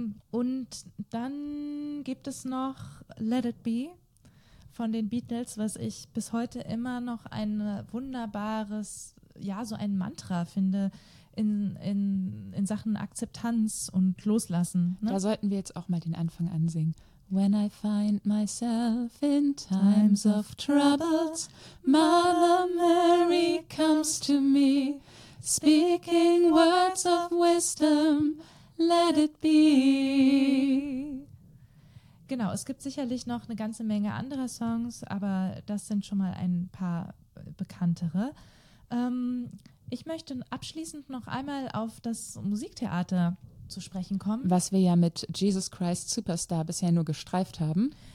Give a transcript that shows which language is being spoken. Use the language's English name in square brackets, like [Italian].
[German] Und dann gibt es noch Let It Be von den Beatles, was ich bis heute immer noch ein wunderbares, ja, so ein Mantra finde, in Sachen Akzeptanz und Loslassen. Ne? Da sollten wir jetzt auch mal den Anfang ansingen. [English] When I find myself in times of troubles, Mother Mary comes to me, speaking words of wisdom, let it be. [German] Genau, es gibt sicherlich noch eine ganze Menge anderer Songs, aber das sind schon mal ein paar bekanntere. Ich möchte abschließend noch einmal auf das Musiktheater zu sprechen kommen. Was wir ja mit Jesus Christ Superstar bisher nur gestreift haben.